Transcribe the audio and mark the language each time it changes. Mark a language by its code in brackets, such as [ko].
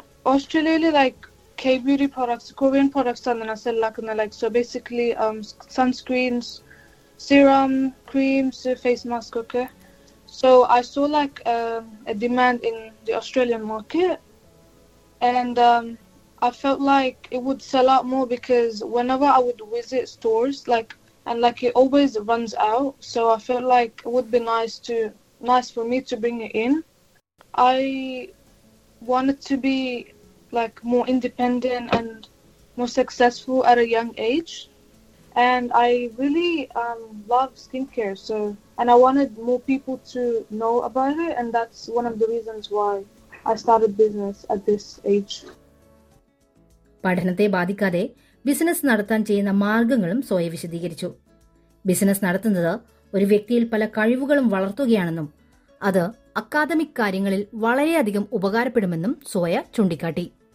[ml] ഓസ്ട്രേലിയയിലെ [en] like K beauty products, Korean products [ml] ആണ് cell ആക്കുന്ന. [en] Like so basically sunscreens, serum, creams, face mask ഒക്കെ. So I saw like a demand in the Australian market and I felt like it would sell out more because whenever I would visit stores, like, and like it always runs out. So I felt like it would be nice for me to bring it in. I wanted to be like more independent and more successful at a young age. And I really love skincare. So, and I wanted more people to know about it. And that's one of the reasons why I started business at this age. [ml] പഠനത്തെ ബാധിക്കാതെ business നടത്താൻ ചെയ്യുന്ന മാർഗങ്ങളും soya വിശദീകരിച്ചു. Business നടത്തുന്നത് ഒരു വ്യക്തിയിൽ പല കഴിവുകളും വളർത്തുകയാണെന്നും അത് അക്കാദമിക് കാര്യങ്ങളിൽ വളരെയധികം ഉപകാരപ്പെടുമെന്നും സോയ ചൂണ്ടിക്കാട്ടി.